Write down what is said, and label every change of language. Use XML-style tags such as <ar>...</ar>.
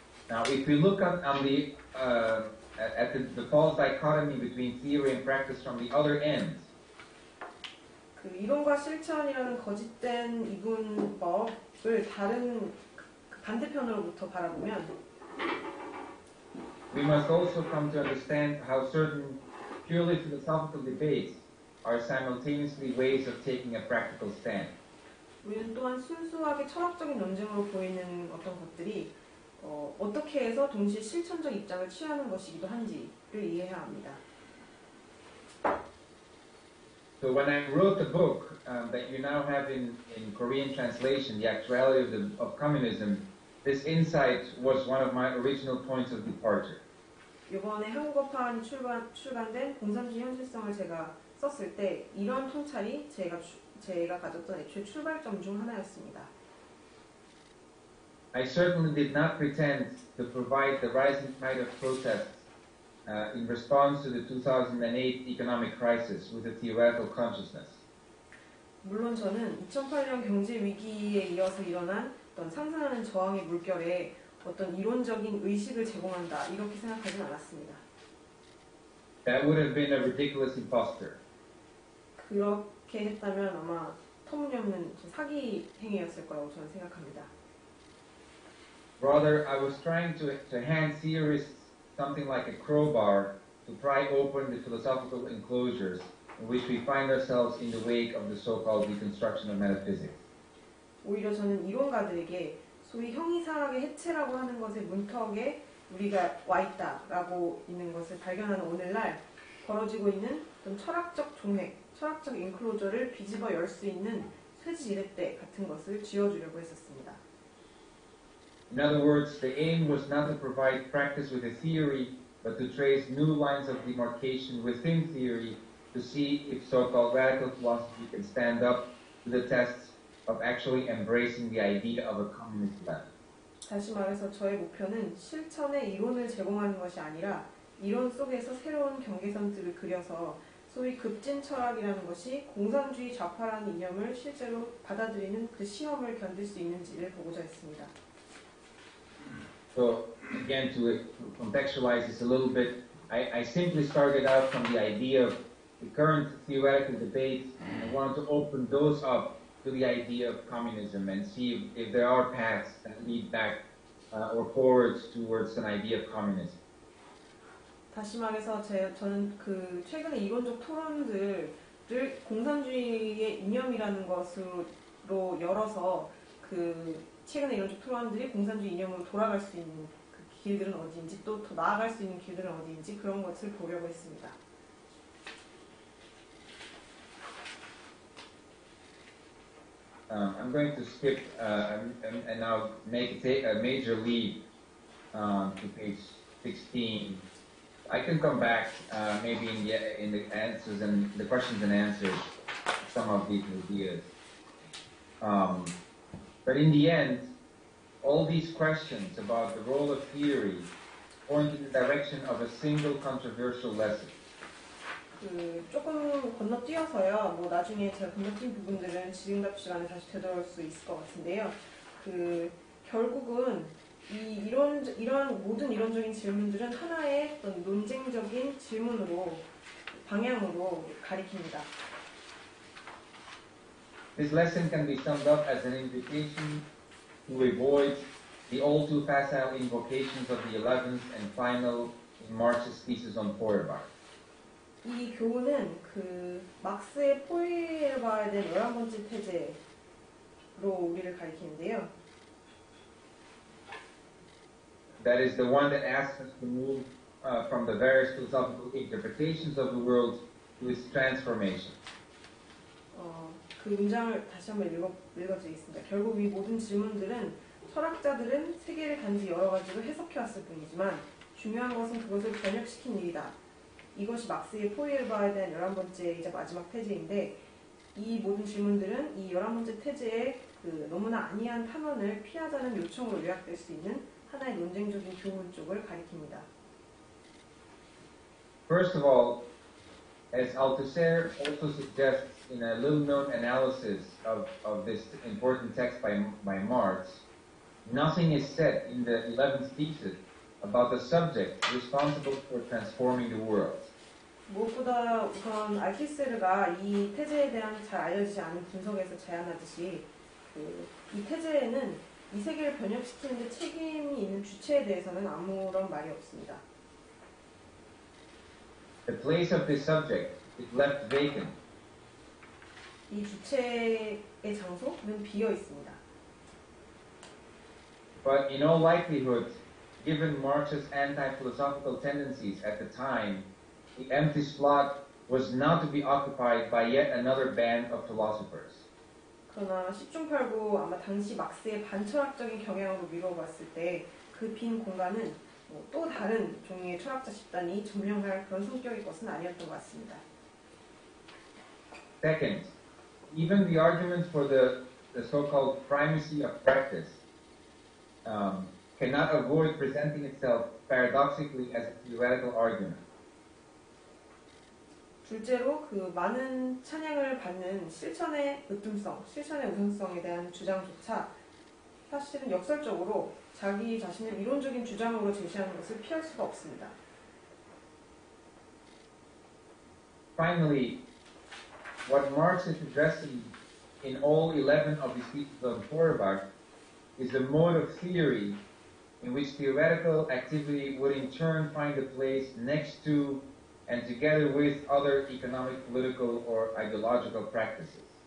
<en>Now, if we look up on the at the false dichotomy between theory and practice from the other end.</en> <ko>그 이론과 실천이라는 거짓된 이분법을 다른 반대편으로부터 바라보면,</ko> <en>we must also come to understand how certain purely philosophical debates are simultaneously ways of taking a practical stand.</en> <ko>우리는 또한 순수하게 철학적인 논쟁으로 보이는 어떤 것들이 어떻게 해서 동시에 실천적 입장을 취하는 것이기도 한지를 이해해야 합니다.</ko> <en>So when I wrote the book that you now have in Korean translation, The Actuality of Communism, this insight was one of my original points of departure.</en> <ko>이번에 한국어판 출간된 공산주의 현실성을 제가 썼을 때 이런 통찰이 제가 가졌던 애초에 출발점 중 하나였습니다.</ko> <en>I certainly did not pretend to provide the rising tide of protests in response to the 2008 economic crisis with a theoretical consciousness.</en> <ko>물론 저는 2008년 경제 위기에 이어서 일어난 어떤 상상하는 저항의 물결에 어떤 이론적인 의식을 제공한다 이렇게 생각하지는 않았습니다.</ko> <en>That would have been a ridiculous imposter.</en> <ko>그렇게 했다면 아마 터무니없는 사기 행위였을 거라고 저는 생각합니다.</ko> <en>Rather, I was trying to hand theorists something like a crowbar to pry open the philosophical enclosures in which we find ourselves in the wake of the so-called deconstruction of metaphysics.</en> <ko>오히려 저는 이론가들에게 소위 형이상학의 해체라고 하는 것의 문턱에 우리가 와 있다라고 있는 것을 발견하는 오늘날 벌어지고 있는 좀 철학적 종핵, 철학적 인클로저를 뒤집어 열 수 있는 쇠지 이랫대 같은 것을 지어주려고 했었습니다.</ko> <en>In other words, the aim was not to provide practice with a theory, but to trace new lines of demarcation within theory to see if so-called radical philosophy can stand up to the tests of actually embracing the idea of a communist land.</en> <ko>다시 말해서 저의 목표는 실천의 이론을 제공하는 것이 아니라 이론 속에서 새로운 경계선들을 그려서 소위 급진 철학이라는 것이 공산주의 좌파라는 이념을 실제로 받아들이는 그 시험을 견딜 수 있는지를 보고자 했습니다.</ko> <en>So again, to contextualize this a little bit, I simply started out from the idea of the current theoretical debate and wanted to open those up to the idea of communism and see if there are paths that lead back or forward towards an idea of communism.</en> <ko>다시 말해서 저는 그 최근의 이론적 토론들을 공산주의의 이념이라는 것으로 열어서 그 최근에 이런 토론들이 공산주의 이념으로 돌아갈 수 있는 그 길들은 어디인지 또 더 나아갈 수 있는 길들은 어디인지 그런 것을 보려고 했습니다.</ko> <en>I'm going to skip and now take a major leap to page 16. I can come back maybe in the answers and the questions and answers. some of these ideas. But in the end, all these questions about the role of theory point in the direction of a single controversial lesson.</en> <ko>그 조금 건너뛰어서요. 뭐 나중에 제가 건너뛴 부분들은 질의응답 시간에 다시 되돌아올 수 있을 것 같은데요. 그 결국은 이 이런 모든 이론적인 질문들은 하나의 어떤 논쟁적인 질문으로 방향으로 가리킵니다.</ko> <en>This lesson can be summed up as an invitation to avoid the all too facile invocations of the 11th and final in Marx's thesis on Feuerbach.</en> <ko>이 교훈은 그 막스의 포에바에 대한 11번째 태제로 우리를 가리키는데요.</ko> <en>That is the one that asks us to move from the various philosophical interpretations of the world to its transformation.</en> <ko>그 문장을 다시 한번 읽어드리겠습니다. 결국 이 모든 질문들은 철학자들은 세계를 단지 여러 가지로 해석해왔을 뿐이지만 중요한 것은 그것을 변혁시킨 일이다. 이것이 막스의 포이엘바에 대한 11번째이자 마지막 태제인데 이 모든 질문들은 이 11번째 태제의 그 너무나 아니한 탄원을 피하자는 요청으로 요약될 수 있는 하나의 논쟁적인 교훈 쪽을 가리킵니다.</ko> <en>First of all, as Althusser also suggests in a little-known analysis of this important text by Marx, nothing is said in the 11th thesis about the subject responsible for transforming the world.</en> <ko>무엇보다 우선 알키세르가 이 태제에 대한 잘 알려지지 않은 분석에서 제안하듯이 그 이 태제에는 이 세계를 변혁시키는 데 책임이 있는 주체에 대해서는 아무런 말이 없습니다.</ko> <en>The place of this subject is left vacant.</en> <ko>이 주체의 장소는 비어 있습니다.</ko> <en>But in all likelihood, given Marx's anti-philosophical tendencies at the time, the empty slot was not to be occupied by yet another band of philosophers.</en> <ko>그러나 십중팔구 아마 당시 막스의 반철학적인 경향으로 미뤄봤을 때 그 빈 공간은 뭐 또 다른 종류의 철학자 집단이 점령할 그런 성격일 것은 아니었던 것 같습니다.</ko> <en>Second, even the arguments for the so-called primacy of practice cannot avoid presenting itself paradoxically as a theoretical argument.</en> <ko>둘째로 그 많은 찬양을 받는 실천의 으뜸성, 실천의 우선성에 대한 주장조차 사실은 역설적으로 자기 자신을 이론적인 주장으로 제시하는 것을 피할 수가 없습니다.</ko> <en>Finally, what Marx is addressing in all 11 of his thesis on Feuerbach is the mode of theory in which theoretical activity would in turn find a place next to and together with other economic, political, or ideological practices.</en>